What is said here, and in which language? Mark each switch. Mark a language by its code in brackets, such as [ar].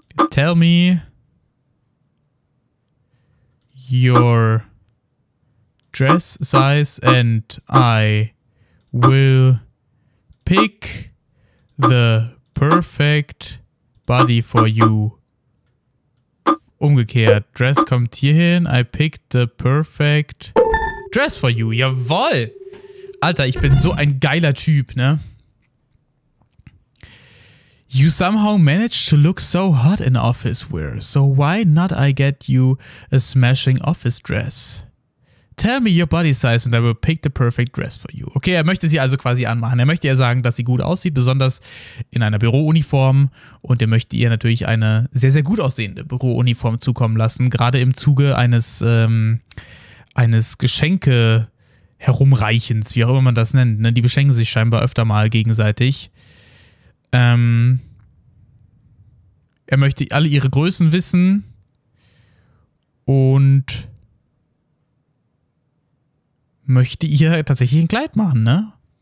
[en] Tell me your dress size and I will pick the perfect body for you. [de] Umgekehrt. Dress kommt hierhin. [en] I pick the perfect Dress for you, jawoll! [de] Alter, ich bin so ein geiler Typ, ne? [en] You somehow managed to look so hot in office wear, so why not I get you a smashing office dress? Tell me your body size and I will pick the perfect dress for you. [de] Okay, er möchte sie also quasi anmachen. Er möchte ihr sagen, dass sie gut aussieht, besonders in einer Bürouniform. Und er möchte ihr natürlich eine sehr, sehr gut aussehende Bürouniform zukommen lassen, gerade im Zuge eines Geschenke herumreichens, wie auch immer man das nennt. Ne? Die beschenken sich scheinbar öfter mal gegenseitig. Er möchte alle ihre Größen wissen und möchte ihr tatsächlich ein Kleid machen, ne?